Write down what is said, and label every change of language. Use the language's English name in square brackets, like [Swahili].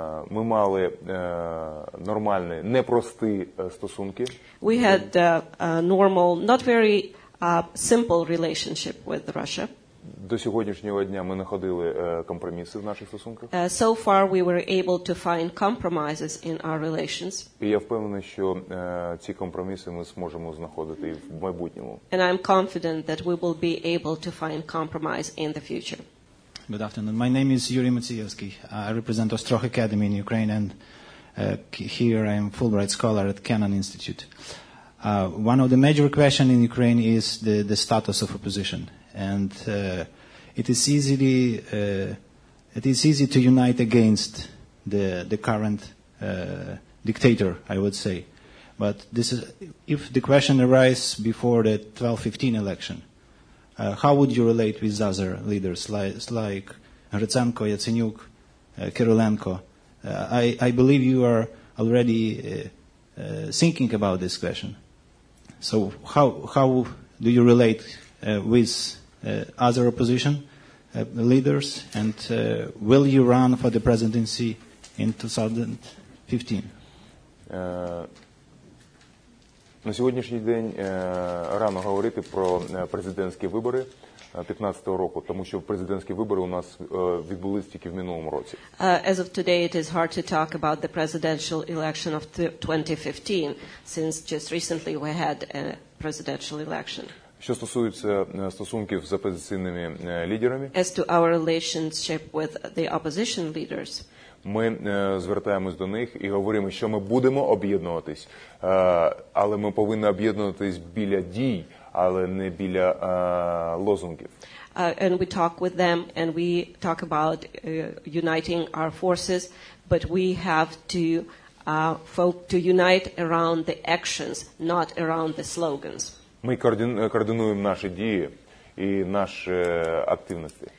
[Ukrainian] Ми мали нормальні, непрості стосунки. [English] We had a normal, not very simple relationship with Russia. [Ukrainian] До сьогоднішнього дня ми знаходили компроміси в наших стосунках. [English] So far we were able to find compromises in our relations. [Ukrainian] І я впевнений, що ці компроміси ми зможемо знаходити і в майбутньому. [English] And I'm confident that we will be able to find compromise in the future. Good afternoon. My name is Yuri Matsiyevsky. I represent Ostroh Academy in Ukraine and here I am Fulbright scholar at Cannon Institute. One of the major questions in Ukraine is the status of opposition. And it is easily it is easy to unite against the current dictator, I would say. But this is, if the question arises before the 12-15 election, how would you relate with other leaders like Rutsenko, Yatsenyuk, Kirilenko? I believe you are already thinking about this question. So how do you relate with other opposition leaders, and will you run for the presidency in 2015? [Ukrainian] На сьогоднішній день рано говорити про президентські вибори 15-го року, тому що президентські вибори у нас відбулись тільки в минулому році. [English] As of today, it is hard to talk about the presidential election of 2015, since just recently we had a presidential election. [Ukrainian] Що стосується стосунків з опозиційними лідерами? [English] As to our relationship with the opposition leaders. [Ukrainian] Ми звертаємось до них і говоримо, що ми будемо об'єднуватись, але ми повинні об'єднуватись біля дій, але не біля лозунгів. [English] And we talk with them and we talk about uniting our forces, but we have to to unite around the actions, not around the slogans. [Ukrainian] Ми координуємо наші дії і наші активності.